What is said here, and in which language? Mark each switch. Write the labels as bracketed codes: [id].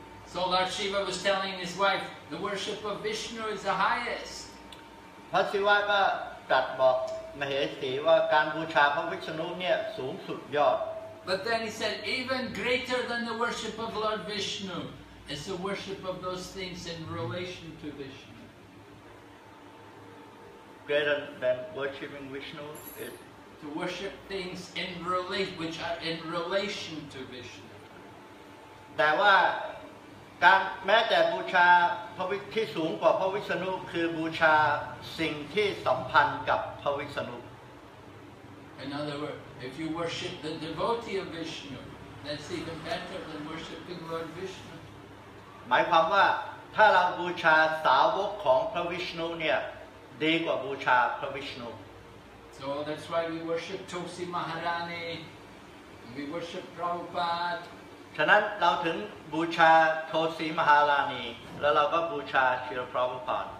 [en] So Lord Shiva was telling his wife, the worship of Vishnu is the highest. [th] พระศิวะก็ตรัสบอกมเหสีว่าการบูชาพระวิษณุเนี่ยสูงสุดยอด [en] But then he said, even greater than the worship of Lord Vishnu is the worship of those things in relation to Vishnu. Greater than worshiping Vishnu is to worship things in relation, which are in relation to Vishnu. [th] แต่ว่าการแม้แต่บูชาพระวิษณุที่สูงกว่าพระวิษณุคือบูชาสิ่งที่สัมพันธ์กับพระวิษณุ [en] In other words, if you worship the devotee of Vishnu, that's even better than worshiping Lord Vishnu. [th] หมายความว่าถ้าเราบูชาสาวกของพระวิษณุเนี่ยดีกว่าบูชาพระวิษณุ [en] So that's why we worship Tulsi Maharani, we worship Prabhupada. [th] ฉะนั้นเราถึงบูชาโทสีมหารานีแล้วเราก็บูชาชีลพระพุทธ